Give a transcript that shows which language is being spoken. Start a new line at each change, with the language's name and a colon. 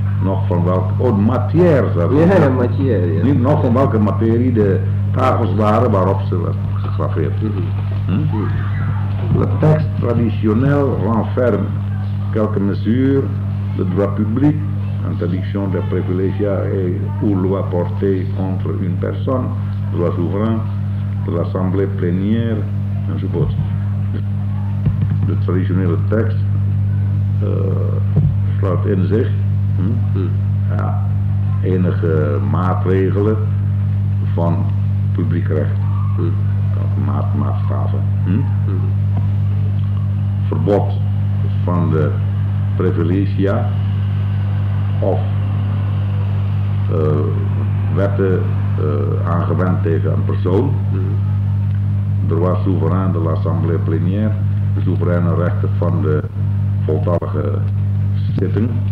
Dutch: Nog van welke, oh, matière, zeg maar. Ja, matière, ja. Niet nog van welke materie de tafels waren waarop ze werden gegraveerd.
French: Le texte traditionnel renferme quelques mesures de droit public, interdiction de privilégia et ou loi portée contre une personne, droit souverain, de l'assemblée plénière, je suppose. Le traditionnel texte
Dutch: sluit in zich enige maatregelen van publiek recht, maatstaven. Verbod van de privilegia of wetten aangewend tegen een persoon.
French: Droit souverain de l'assemblée plénière,
Dutch: de soevereine rechten van de voltallige zitting.